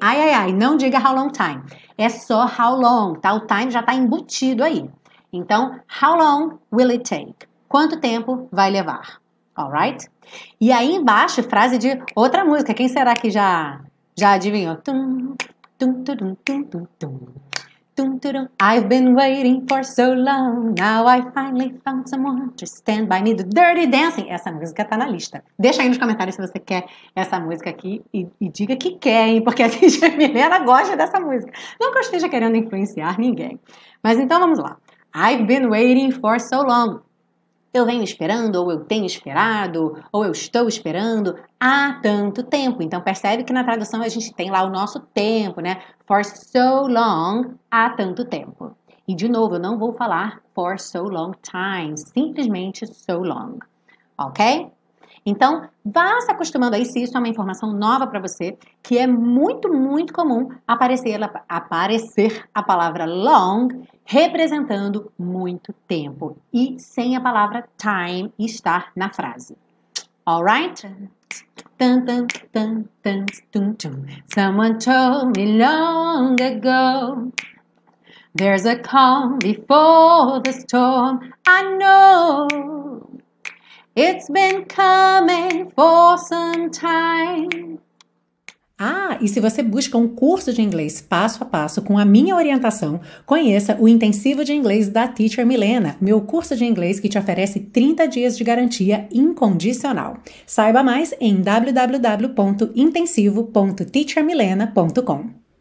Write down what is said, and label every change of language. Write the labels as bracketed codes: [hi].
[pt] Ai, ai, ai, não diga how long time, é só how long, tá? O time já está embutido aí. Então, [en] how long will it take? [pt] Quanto tempo vai levar? [en] All right? [pt] E aí embaixo, frase de outra música, quem será que já adivinhou? Tum. Tum, tum, tum, tum, tum. Tum, tum, tum. [en] I've been waiting for so long. Now I finally found someone to stand by me. [pt] The Dirty Dancing. Essa música tá na lista. Deixa aí nos comentários se você quer essa música aqui e diga que quer, hein? Porque a Teacher Milena gosta dessa música. Não que eu esteja querendo influenciar ninguém. Mas então vamos lá. [en] I've been waiting for so long. [pt] Eu venho esperando, ou eu tenho esperado, ou eu estou esperando há tanto tempo. Então, percebe que na tradução a gente tem lá o nosso tempo, né? [en] For so long, [pt] há tanto tempo. E, de novo, eu não vou falar for so long time, simplesmente so long, ok? Então, vá se acostumando aí, se isso é uma informação nova para você, que é muito, muito comum aparecer a palavra long representando muito tempo e sem a palavra time estar na frase. [en] All right? Tum, tum, tum, tum, tum, tum. Someone told me long ago. There's a calm before the storm. I know. It's been coming for some time. [pt] Ah, e se você busca um curso de inglês passo a passo com a minha orientação, conheça o Intensivo de Inglês da Teacher Milena, meu curso de inglês que te oferece 30 dias de garantia incondicional. Saiba mais em www.intensivo.teachermilena.com.